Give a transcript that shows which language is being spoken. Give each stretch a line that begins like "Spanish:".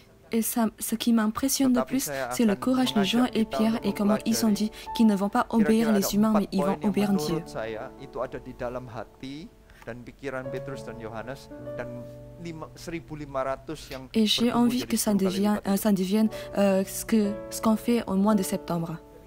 French: Et ça, ce qui m'impressionne de plus, c'est le courage de Jean et Pierre et comment ils ont dit qu'ils ne vont pas obéir les humains, mais ils vont obéir Dieu.
Indonesian: Saya, itu ada di dalam hati dan pikiran Petrus dan Yohanes dan 1500 yang.
French: Et j'ai envie que ça devienne ce qu'on fait au mois de septembre.